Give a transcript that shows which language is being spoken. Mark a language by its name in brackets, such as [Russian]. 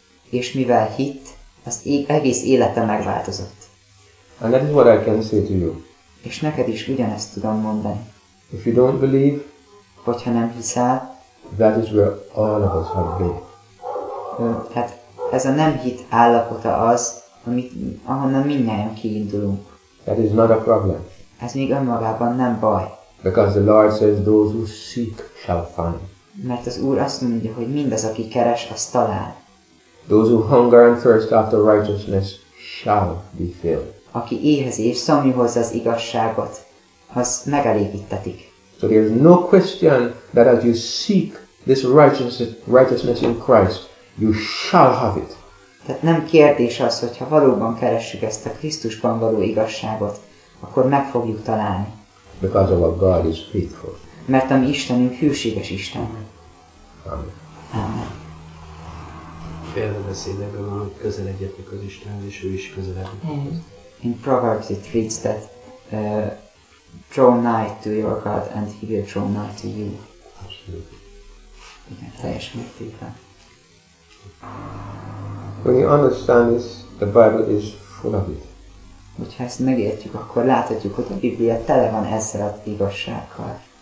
[Hungarian] És mivel hitt, az egész élete megváltozott. [English] And that is what I can say to you. [Hungarian] És neked is ugyanezt tudom mondani. [English] If you don't believe, [Hungarian] hogyha nem hiszel, [English] that is where all of us have been. [Hungarian] Tehát ez a nem hit állapota az, ahonnan mindnyájan kiindulunk. [English] That is not a problem. [Hungarian] Ez még önmagában nem baj. [English] Because the Lord says those who seek shall find. [Hungarian] Mert az Úr azt mondja, hogy mindaz, aki keres, az talál. [English] Those who hunger and thirst after righteousness shall be filled. [Hungarian] Aki éhezi és szomjúhozza az igazságot, az megelégítetik. [English] So there is no question that as you seek this righteousness in Christ, you shall have it. [Hungarian] Tehát nem kérdés az, hogy ha valóban keressük ezt a Krisztusban való igazságot, akkor meg fogjuk találni. [English] Because our God is faithful. [Hungarian] Mert a mi Istenünk hűséges Isten. [English] Amen. [Hungarian] Amen. Félve beszédekben van, hogy közel egyetlik az Istenhez, és ő is közel egyetlik. [English] In Proverbs it reads that draw nigh to your God, and he will draw nigh to you. Absolutely. [Hungarian] Igen, teljes mértékben. [English] When you understand this, the Bible is full of it. [Hungarian] Hogyha ezt megértjük, akkor láthatjuk, hogy a Biblia tele van ezzel az igazsággal.